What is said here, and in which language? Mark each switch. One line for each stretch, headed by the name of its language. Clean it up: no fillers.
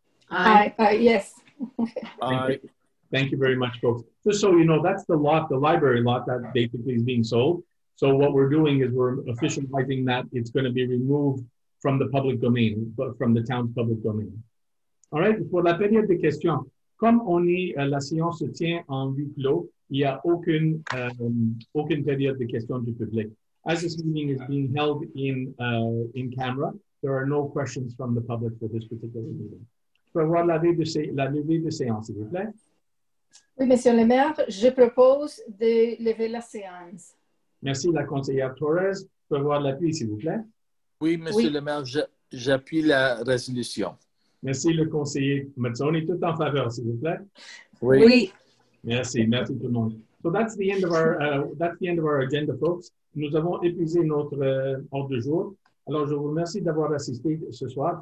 English: Aye. Yes. Thank you very much, folks. Just so you know, that's the lot, the library lot that basically is being sold. So what we're doing is we're officializing that it's going to be removed from the public domain, but from the town's public domain. All right,
French: pour la période de questions, comme on est, la séance se tient en huis clos, il n'y a aucune période de questions du public.
English: As this meeting is being held in camera, there are no questions from the public for this particular meeting.
French: Je peux avoir la levée de séance, s'il vous plaît? Oui, Monsieur le Maire, je propose de lever la séance. Merci, la conseillère Torres. Je peux avoir l'appui, s'il vous plaît? Oui, Monsieur le Maire, j'appuie la résolution. Merci, le conseiller Mazzoni. Tout en faveur, s'il vous plaît. Oui. Merci, merci tout le monde.
English: So that's the end of our agenda, folks.
French: Nous avons épuisé notre ordre du jour. Alors, je vous remercie d'avoir assisté ce soir.